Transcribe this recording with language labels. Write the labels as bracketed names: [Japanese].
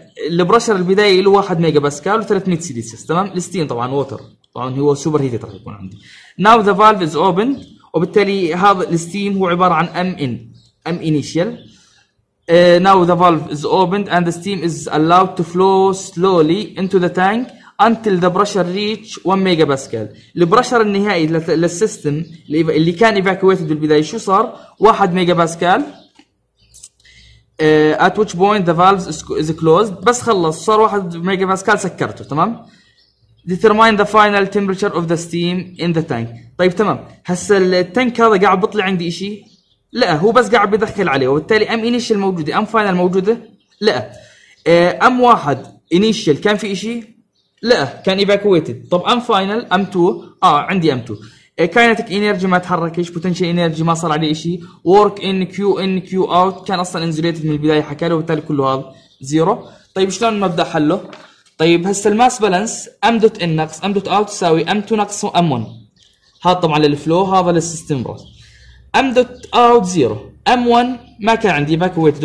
[Arabic] البريشر البدايه له 1 ميجا باسكال و300 سي دي سي. تمام. الستيم طبعا ووتر طبعا هو سوبر هيتد راح يكون عندي. [English] Now the valve is open. [Arabic] وبالتالي هذا الستيم هو عبارة عن M initial. [English] Now the valve is opened and the steam is allowed to flow slowly into the tank until the pressure reach 1 megapascal. [Arabic] البرشر النهائي للسيستم اللي كان evacuated بالبداية شو صار؟ 1 ميجا باسكال. [English] At which point the valve is closed. [Arabic] بس خلص صار 1 ميجا باسكال سكرته. تمام. [English] Determine the final temperature of the steam in the tank. [Arabic] طيب تمام. هسا التانك هذا قاعد بطلع عندي إشي؟ لا هو بس قاعد بيدخل عليه. وبالتالي M initial موجودة. M final موجودة؟ لا. M1 initial كان في إشي؟ لا كان evacuated. طب M final M2 عندي M2. Kinetic energy ما تحركش. Potential energy ما صار عليه إشي. Work in Q out كان أصلا insulated من البداية حكى له. وبالتالي كله هذا zero. طيب شلون مبدأ حله؟ طيب هسا الماس بالانس ام دوت ان ناقص ام دوت اوت تساوي ام 2 ناقص ام 1. هذا طبعا للفلو هذا للسيستم بروس. ام دوت اوت زيرو ام 1 ما كان عندي باكويتد.